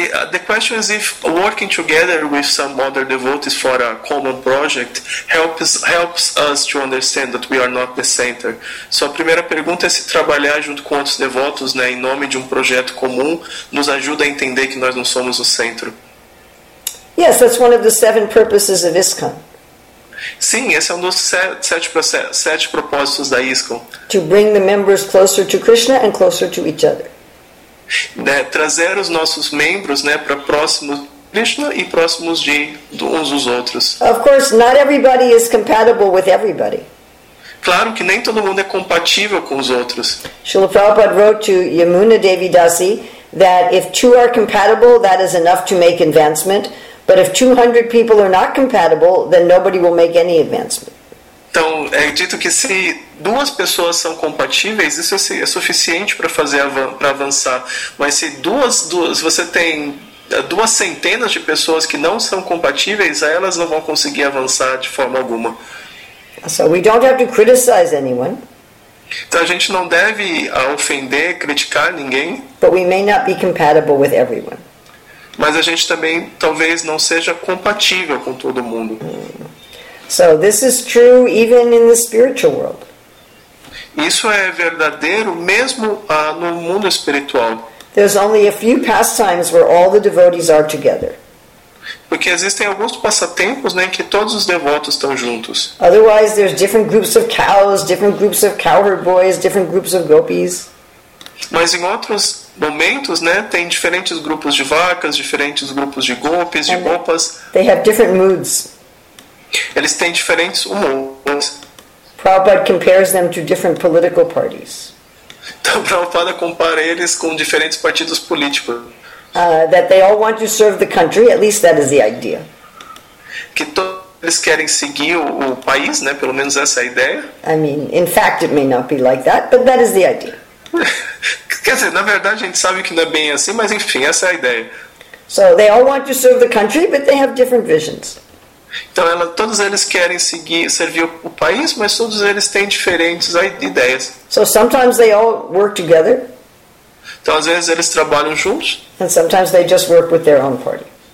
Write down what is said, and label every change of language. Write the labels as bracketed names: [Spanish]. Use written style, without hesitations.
[English] The question is if working together with some other devotees for a common project helps us to understand that we are not the center. [Portuguese] So, a primeira pergunta é se trabalhar junto com outros devotos, né, em nome de projeto comum nos ajuda a entender que nós não somos o centro. [English] Yes, that's one of the 7 purposes of ISKCON. [Portuguese] Sim, esse é dos 7 propósitos da ISKCON. [English] To bring the members closer to Krishna and closer to each other. [Portuguese] Né, trazer os nossos membros, né, para próximos Krishna e próximos de uns dos outros. [English] Of course, not everybody is compatible with everybody. [Portuguese] Claro que nem todo mundo é compatível com os outros. [English] Srila Prabhupada wrote to Yamuna Devi Dasi that if 2 are compatible, that is enough to make advancement, but if 200 people are not compatible, then nobody will make any advancement. [Portuguese] Então, é dito que se 2 pessoas são compatíveis, isso é suficiente para fazer para avançar. Mas se você tem 2 centenas de pessoas que não são compatíveis, aí elas não vão conseguir avançar de forma alguma. [English] So we don't have to criticize anyone. [Portuguese] Então, a gente não deve ofender, criticar ninguém. [English] But we may not be compatible with everyone. [Portuguese] Mas a gente também talvez não seja compatível com todo mundo. [English] So this is true even in the spiritual world. [Portuguese] Isso é verdadeiro mesmo no mundo espiritual. [English] There's only a few pastimes where all the devotees are together. [Portuguese] Porque existem alguns passatempos, né, em que todos os devotos estão juntos. [English] Otherwise there's different groups of cows, different groups of cowherd boys, different groups of gopis. [Portuguese] Mas em outros momentos, né, tem diferentes grupos de vacas, diferentes grupos de gopis, de gopas. [English] They have different moods. [Portuguese] Eles têm diferentes humores. [English] Prabhupada compares them to different political parties. [Portuguese] Então, Prabhupada compara eles com diferentes partidos políticos. [English] That they all want to serve the country, at least that is the idea. [Portuguese] Que todos eles querem seguir o país, né? Pelo menos essa é a ideia. [English] I mean, in fact, it may not be like that, but that is the idea. [Portuguese] Quer dizer, na verdade a gente sabe que não é bem assim, mas enfim, essa é a ideia. [English] So they all want to serve the country, but they have different visions. [Portuguese] Então, todos eles querem seguir, servir o país, mas todos eles têm diferentes ideias. [English] So sometimes they all work together. [Portuguese] Então, às vezes eles trabalham juntos. [English] And sometimes they just work with their own party.